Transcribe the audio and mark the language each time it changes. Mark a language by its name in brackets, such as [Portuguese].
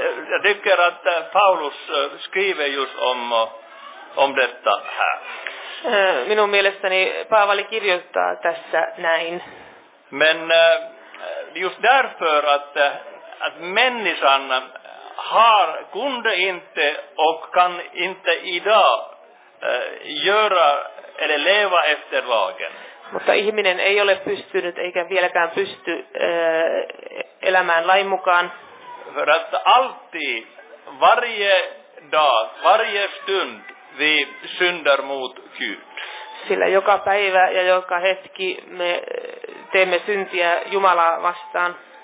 [Swedish] Jag tycker att Paulus skriver just om detta här. [Finnish] Minun mielestäni Paavali kirjoittaa tässä näin. [Swedish] Men just därför att människan har kunde inte och kan inte idag göra eller leva efter lagen. [Finnish] Mutta ihminen ei ole pystynyt eikä vieläkään pysty elämään lain mukaan. [Swedish] För att alltid, varje dag, varje stund, vi syndar mot Gud. [Finnish] Sillä joka päivä ja joka hetki me teemme syntiä Jumalaa vastaan.